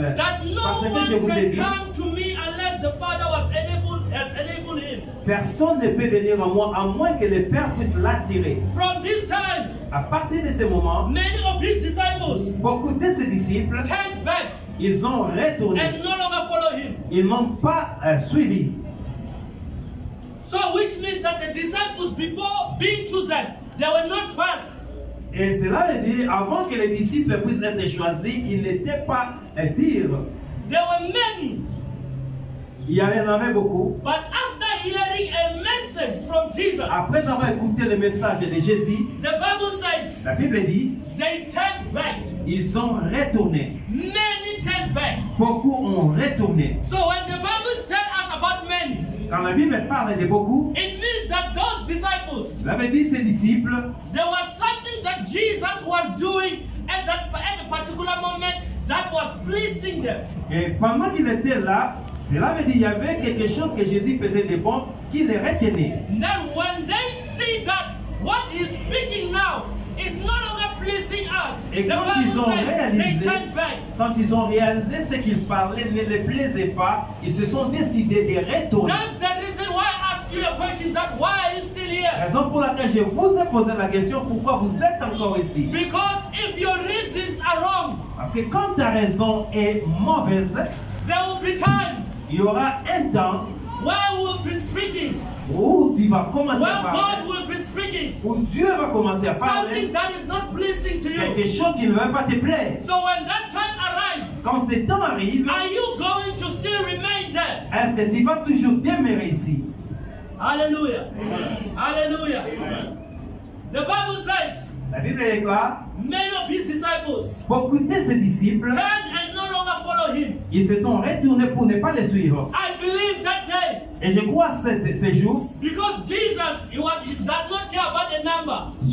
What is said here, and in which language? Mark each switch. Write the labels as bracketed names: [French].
[English] that no one can come to me unless the Father was enabled, has enabled him. [French] Personne ne peut venir à moi à moins que le Père puisse l'attirer. [English] From this time, [French] à partir de ce moment, [English] many of his disciples, [French] beaucoup de ses disciples, [English] turned back, [French] ils ont retourné, [English] and no longer follow him. [French] Ils n'ont pas suivi. [English] So which means that the disciples before being chosen, they were not 12. [French] Et cela veut dire, avant que les disciples puissent être choisis, ils n'étaient pas dire. [English] There were many. [French] Il y en avait beaucoup. [English] But after hearing a message from Jesus, [French] après avoir écouté le message de Jésus, [English] the Bible says, [French] la Bible dit, [English] they turned back. [French] Ils ont retourné. [English] Many turned back. [French] Beaucoup ont retourné. [English] So when the Bible tells us about many, [French] quand la Bible parle de beaucoup, [English] it means that those disciples, [French] la Bible dit ces disciples, [English] there was something that Jesus was doing at that at a particular moment that was pleasing them. [French] Et pendant qu'il était là, cela veut dire qu'il y avait quelque chose que Jésus faisait de bon qui les retenait. [English] Then when they see that what he is speaking now is no longer pleasing us, [French] et quand [English] the Bible [French] ils ont [English] said, [French] réalisé, [English] they turned back. [French] Quand ils ont réalisé ce qu'ils parlaient ne les plaisait pas, ils se sont décidés de retourner. [English] That's the reason why I ask you a question, that why are you still here? [French] La raison pour laquelle je vous ai posé la question, pourquoi vous êtes encore ici? [English] Because if your reasons are wrong, [French] parce que quand ta raison est mauvaise, [English] there will be time. [French] Il y aura un temps [English] where we will be speaking. [French] Où tu vas commencer [English] where [French] à parler. [English] God will be speaking. [French] Où Dieu va commencer à [English] something That is not pleasing to you. [French] Quelque chose qui ne va pas te plaire. [English] So when that time arrives, [French] quand ce temps arrive, [English] are you going to still remain there? [French] Est-ce que tu vas toujours demeurer ici? Alléluia. Alléluia. Amen. [English] The Bible says, [French] la Bible déclare, [English] many of his disciples, [French] beaucoup de ses disciples, [English] turned and no longer follow him. [French] Ils se sont retournés pour ne pas les suivre. [English] I believe that day. [French] Et je crois cette ces jours. [English] Because Jesus, he does not care about the number.